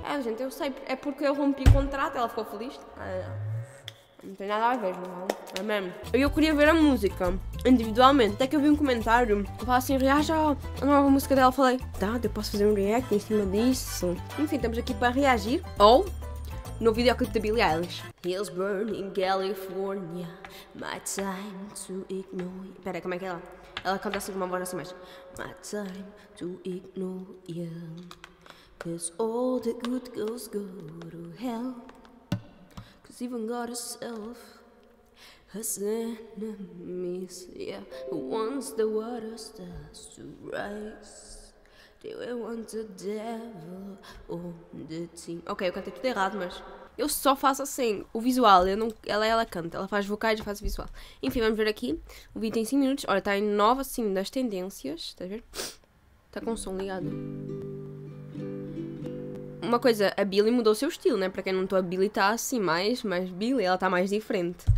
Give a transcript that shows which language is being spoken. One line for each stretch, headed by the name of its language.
Portuguese: É, gente, eu sei, é porque eu rompi o contrato, ela ficou feliz, não tem nada a ver, não é mesmo? Eu queria ver a música, individualmente, até que eu vi um comentário, que fala assim, reage à nova música dela, eu falei, tá, eu posso fazer um react em cima disso, enfim, estamos aqui para reagir, ou... No videoclip da Billie Eilish.
English: Hills burning California, my time to ignore you.
Portuguese: Pera, como é que ela? Ela canta assim com uma voz assim mais.
English: My time to ignore you, 'cause all the good girls go to hell, 'cause even God herself has enemies. Yeah, once the water starts to rise, they will want the devil on the team.
Portuguese: Ok, eu cantei tudo errado, mas eu só faço assim, o visual, eu não, ela canta, ela faz vocais e faz visual. Enfim, vamos ver aqui, o vídeo tem 5 minutos, olha, está em nova, assim, das tendências, está a ver? Está com o som ligado. Uma coisa, a Billie mudou o seu estilo, né? Para quem não está, a Billie está assim mais, mas Billie, ela está mais diferente.